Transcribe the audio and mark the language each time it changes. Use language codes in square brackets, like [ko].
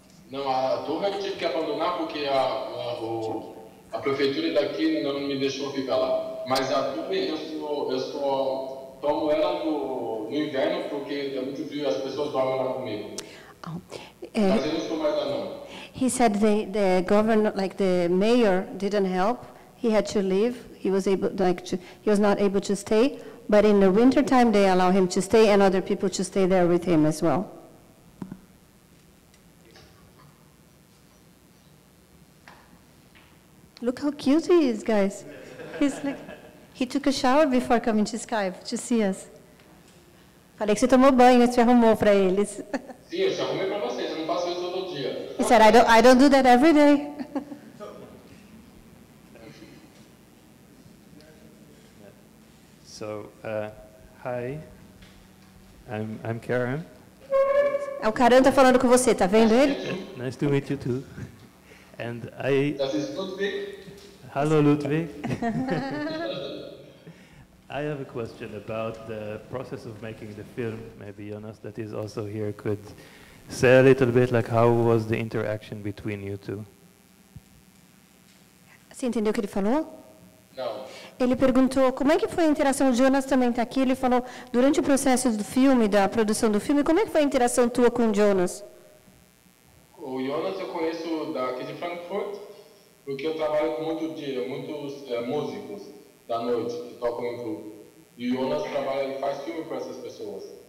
[pt] Não, a torre eu tive que abandonar porque a prefeitura daqui não me deixou ficar lá. Mas a torre eu tomo ela no inverno porque é muito frio e as pessoas dormem lá comigo. Oh, mas eu não estou mais lá não. [en] He said the governor, like the mayor, didn't help. He had to leave. He was not able to stay, but in the winter time they allow him to stay and other people to stay there with him as well. Look how cute he is, guys. He's like, he took a shower before coming to Skype to see us. [pt] Falei que você tomou banho, você arrumou para eles. Sim, eu já arrumei para vocês, eu não faço isso todo dia. [en] He said, I don't do that every day. So, hi, I'm Karen. [pt] É o Karen tá falando com você, tá vendo ele? [en] Nice to meet you too. And I. [de] Das ist Ludwig. Hallo Ludwig. [en] I have a question about the process of making the film. Maybe Jonas, that is also here, could say a little bit, like how was the interaction between you two? [pt] Você entendeu o que ele falou? Não. Ele perguntou como é que foi a interação, o Jonas também está aqui, ele falou durante o processo do filme, da produção do filme, como é que foi a interação tua com o Jonas? O Jonas eu conheço daqui de Frankfurt, porque eu trabalho com muitos músicos da noite, que tocam em clube. E o Jonas trabalha e faz filme com essas pessoas.